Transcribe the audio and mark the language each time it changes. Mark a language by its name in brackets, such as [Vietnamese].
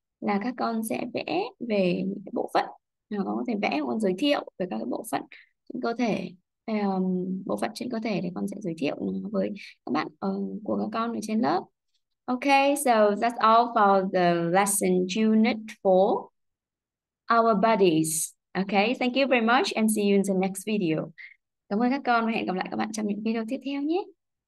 [Vietnamese] Là các con sẽ vẽ về bộ phận. Nào con có thể vẽ, con giới thiệu về các bộ phận trên cơ thể. Bộ phận trên cơ thể thì con sẽ giới thiệu nó với các bạn của các con ở trên lớp. [English] Okay, so that's all for the lesson unit 4, our bodies. Okay, thank you very much and see you in the next video. [Vietnamese] Cảm ơn các con và hẹn gặp lại các bạn trong những video tiếp theo nhé.